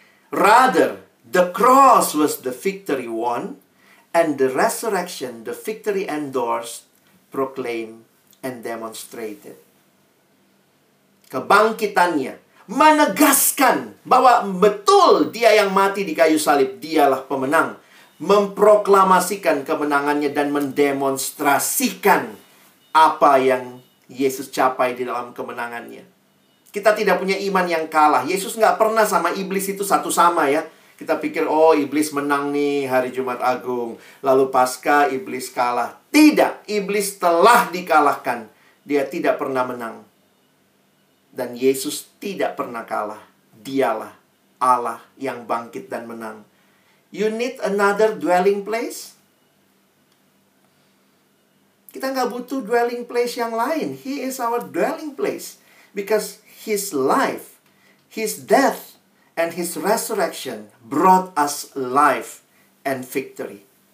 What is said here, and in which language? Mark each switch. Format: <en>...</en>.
<en>Rather, the cross was the victory won, and the resurrection the victory endorsed, proclaimed, and demonstrated.</en> <id>Kebangkitannya menegaskan bahwa betul dia yang mati di kayu salib, dialah pemenang. Memproklamasikan kemenangannya dan mendemonstrasikan apa yang Yesus capai di dalam kemenangannya. Kita tidak punya iman yang kalah. Yesus nggak pernah sama iblis itu satu sama ya. Kita pikir, oh iblis menang nih hari Jumat Agung. Lalu pasca iblis kalah. Tidak, iblis telah dikalahkan. Dia tidak pernah menang. Dan Yesus tidak pernah kalah. Dialah Allah yang bangkit dan menang.</id> <en>You need another dwelling place?</en> <id>Kita nggak butuh dwelling place yang lain.</id> <en>He is our dwelling place. Because His life, His death, and His resurrection brought us life and victory.</en>